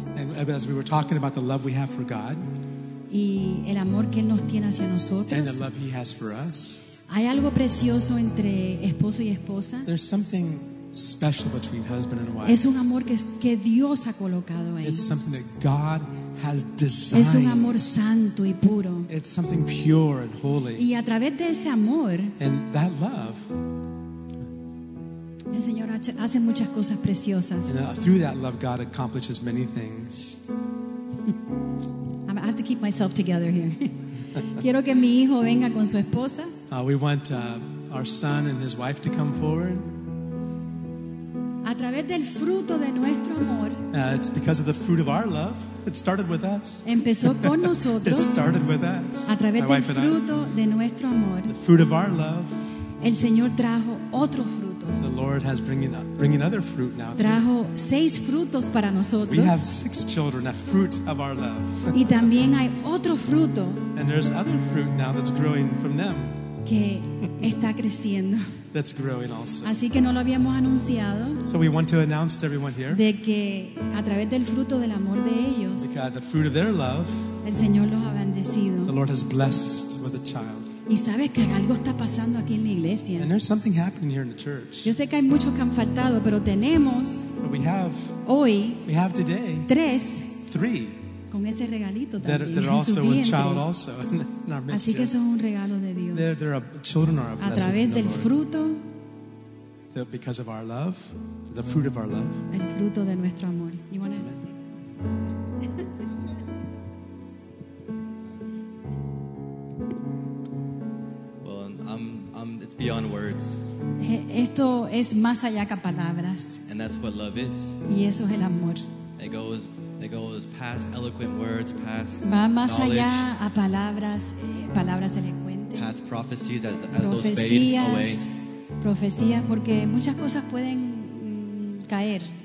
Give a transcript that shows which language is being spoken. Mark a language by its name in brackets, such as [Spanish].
[English] And as we were talking about the love we have for God. [Spanish] y el amor que Él nos tiene hacia nosotros. [English] And the love He has for us. [Spanish] Hay algo precioso entre esposo y esposa. [English] There's something special between husband and wife. [Spanish] Es un amor que Dios ha colocado ahí. [English] It's something that God has designed. [Spanish] Es un amor santo y puro. [English] It's something pure and holy. [Spanish] Y a través de ese amor, [English] and that love, [Spanish] el Señor hace muchas cosas preciosas. [English] And through that love, God accomplishes many things. I have to keep myself together here. [Spanish] Quiero que mi hijo venga con su esposa. [English] We want our son and his wife to come forward. [Spanish] A través del fruto de nuestro amor. [English] It's because of the fruit of our love. It started with us. [Spanish] Empezó con nosotros. [English] It started with us. [Spanish] A través del fruto de nuestro amor. [English] The fruit of our love. [Spanish] El Señor trajo otros frutos. [English] The Lord has bringing other fruit now. [Spanish] Trajo [English] too. [Spanish] Seis frutos para nosotros. [English] We have six children, a fruit of our love. [Spanish] Y también hay otro fruto. [English] And there's other fruit now that's growing from them. [Spanish] Que está creciendo. [English] That's growing also. [Spanish] Así que no lo habíamos anunciado. [English] So we want to announce to everyone here. [Spanish] De que a través del fruto del amor de ellos. [English] Because the fruit of their love. [Spanish] El Señor los ha bendecido. [English] The Lord has blessed with a child. [Spanish] Y sabes que algo está pasando aquí en la iglesia. [English] And there's something happening here in the church. [Spanish] Yo sé que hay muchos que han faltado, pero tenemos. [English] But we have. [Spanish] Hoy. [English] We have today. [Spanish] Tres. [English] Three. [Spanish] Con ese regalito también. [English] That are also with child also in our midst. [Spanish] Así que eso es un regalo de Dios. [English] They're a, children are a blessing. [Spanish] A través del [English] Lord. [Spanish] Fruto. [English] The, because of our love, the fruit of our love. [Spanish] El fruto de nuestro amor. [English] You want to Well, I'm it's beyond words. [Spanish] Esto es más allá que palabras. [English] And that's what love is. [Spanish] Y eso es el amor. [English] It goes past eloquent words, past [Spanish] va más [English] knowledge, [Spanish] allá a palabras, palabras elocuentes. [English] Past prophecies as profecías, those fade away. [Spanish] Profecías, porque muchas cosas pueden caer.